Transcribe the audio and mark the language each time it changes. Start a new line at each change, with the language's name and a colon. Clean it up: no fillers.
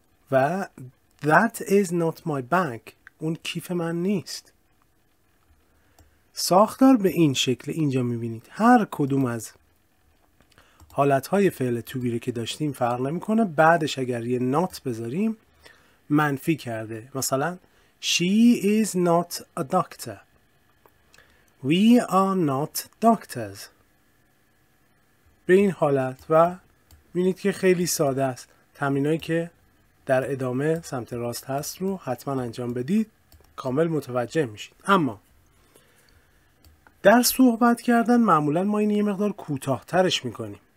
Persian: و
English: That is not my bag،
Persian: اون کیف من نیست. ساختار به این شکل اینجا میبینید. هر کدوم از حالتهای فعل to be که داشتیم فرق نمیکنه. بعدش اگر یه not بذاریم منفی کرده. مثلا
English: She is not a doctor، We are not doctors.
Persian: به این حالت و میبینید که خیلی ساده است. تمرینایی که در ادامه سمت راست هست رو حتما انجام بدید، کامل متوجه میشید. اما در صحبت کردن معمولا ما این یه مقدار کوتاه‌ترش میکنیم.